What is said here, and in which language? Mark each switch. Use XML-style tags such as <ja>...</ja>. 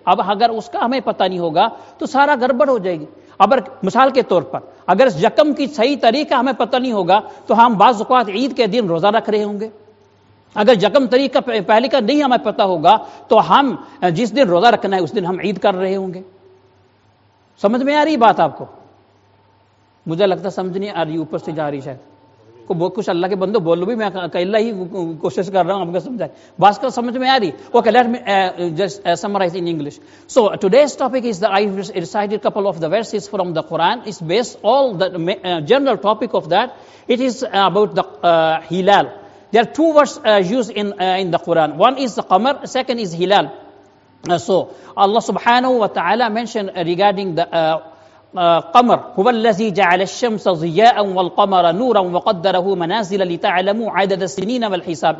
<ur>اب اگر اس کا ہمیں پتہ نہیں ہوگا تو سارا گڑبڑ ہو جائے گی. اگر مثال کے طور پر اگر یکم کی صحیح طریقہ ہمیں پتہ نہیں ہوگا تو ہم بعض اوقات عید کے دن روزہ رکھ رہے ہوں گے, اگر یکم طریقہ پہلے کا نہیں ہمیں پتہ ہوگا تو ہم جس دن روزہ رکھنا ہے اس دن ہم عید کر رہے ہوں گے. سمجھ میں آ رہی بات آپ کو؟ مجھے لگتا سمجھ نہیں آ رہی, اوپر سے جا رہی شاید. کچھ اللہ کے بندو بولو بھی, میں اکیلا ہی کوشش کر رہا ہوں آپ کو سمجھائے. بس کا سمجھ میں آ رہی ہے؟ Okay,</ur> <en>Let me summarise in English. So today's topic is the I recited couple of the verses from the Quran, is based all the general topic of that, it is about the Hilal. There are two words used in the Quran. One is the Qamar, second is Hilal. So Allah subhanahu wa ta'ala mentioned regarding the Qamar.</en> <ar>هُوَ الَّذِي جَعَلَ الشَّمْسَ ضِيَاءً وَالْقَمَرَ نُورًا وَقَدَّرَهُ مَنَازِلَ لِتَعْلَمُوا عَدَدَ السِّنِينَ وَالْحِسَابِ.</ar>